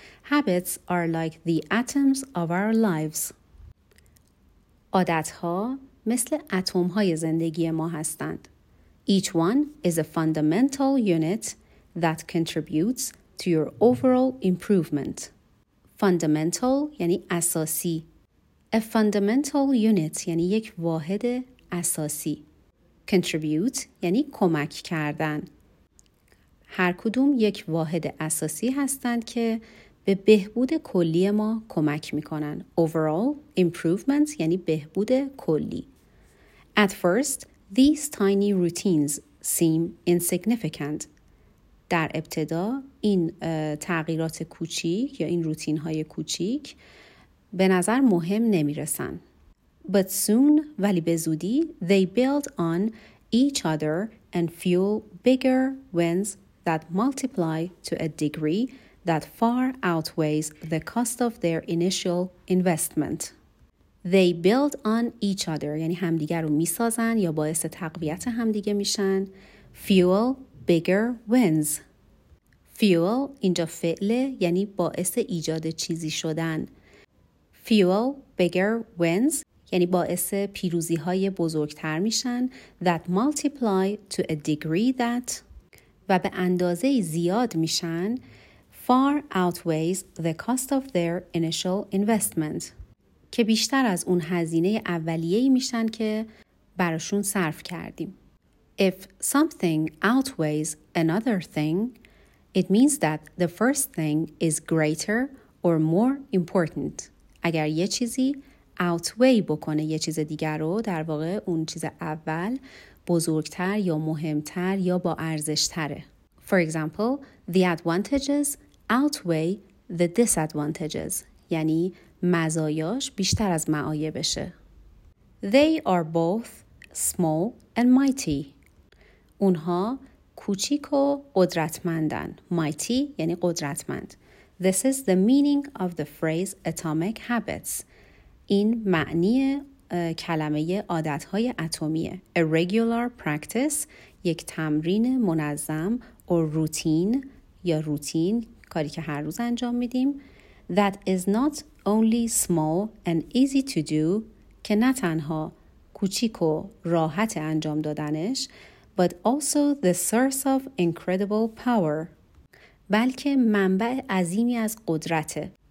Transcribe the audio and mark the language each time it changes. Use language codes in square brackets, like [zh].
[en] Habits are like the atoms of our lives. [fa] عادت‌ها مثل اتم‌های زندگی ما هستند. [en] Each one is a fundamental unit that contributes to your overall improvement. [fa] Fundamental یعنی اساسی. [en] A fundamental unit [fa] یعنی یک واحد اساسی. Contribute یعنی کمک کردن. هر کدوم یک واحد اساسی هستند که به بهبود کلی ما کمک میکنن. [en] Overall improvement [fa] یعنی بهبود کلی. [en] At first, these tiny routines seem insignificant. [fa] در ابتدا این تغییرات کوچیک یا این روتین های کوچیک به نظر مهم نمیرسن. [en] But soon, [fa] ولی به زودی, [en] they build on each other and fuel bigger wins that multiply to a degree that far outweighs the cost of their initial investment. They build on each other, [fa] یعنی همدیگر رو میسازن یا باعث تقویت همدیگه میشن. [en] Fuel bigger wins. [fa] Fuel اینجا فعله, یعنی باعث ایجاد چیزی شدن. [en] Fuel bigger wins [fa] یعنی باعث پیروزی های بزرگتر میشن. [en] That multiply to a degree that, [fa] و به اندازه زیاد میشن. [en] Far outweighs the cost of their initial investment. [fa] که بیشتر از اون هزینه اولیه‌ای میشن که براشون صرف کردیم. [en] If something outweighs another thing, it means that the first thing is greater or more important. [fa] اگر یه چیزی outweigh بکنه یه چیز دیگر رو، در واقع اون چیز اول بزرگتر یا مهمتر یا با ارزشتره. [en] For example, the advantages outweigh the disadvantages. [fa] یعنی مزایاش بیشتر از معایبشه. [en] They are both small and mighty. [fa] اونها کوچیک و قدرتمندن. Mighty یعنی قدرتمند. [en] This is the meaning of the phrase atomic habits. [fa] این معنی کلمه عادت‌های اتمیه. [en] A regular practice، [fa] یک تمرین منظم، [en] or routine [fa] یا روتین، کاری که هر روز انجام میدیم. [en] That is not only small and easy to do، [fa] که نه تنها کوچیک و راحت انجام دادنش، [en] but also the source of incredible power، [fa] بلکه منبع عظیمی از قدرته.